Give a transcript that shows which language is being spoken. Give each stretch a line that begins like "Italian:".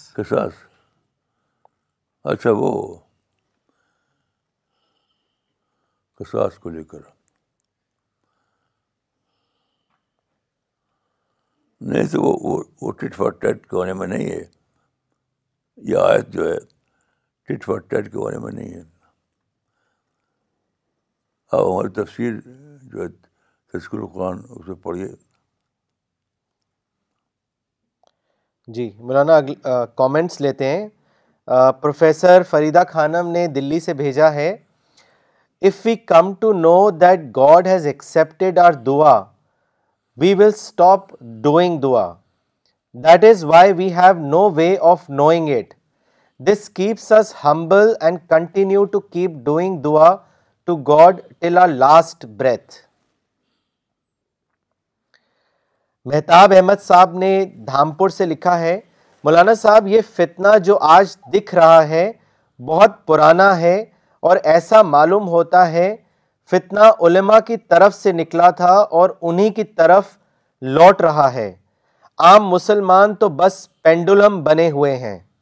Urdu: قصاص، اچھا وہ قصاص کو لے کر، نہیں تو وہ ٹٹ فار ٹیٹ کے بارے میں نہیں ہے، یہ آیت جو ہے ٹٹ فار ٹیٹ کے بارے میں نہیں ہے۔ اب ہماری تفسیر جو ہے تذکرہ قرآن، اسے پڑھیے۔ جی مولانا کامنٹس لیتے ہیں۔ پروفیسر فریدہ خانم نے دلی سے بھیجا ہے،
English: If we come to know that God has accepted our dua, we will stop doing dua. That is why we have no way of knowing it. This keeps us humble and continue to keep doing dua to God till our last breath.
Urdu: Mahtab Ahmad صاحب نے دھامپور سے لکھا ہے، مولانا صاحب یہ فتنہ جو آج دکھ رہا ہے بہت پرانا ہے، اور ایسا معلوم ہوتا ہے فتنہ علماء کی طرف سے نکلا تھا اور انہی کی طرف لوٹ رہا ہے، عام مسلمان تو بس پینڈولم بنے ہوئے ہیں۔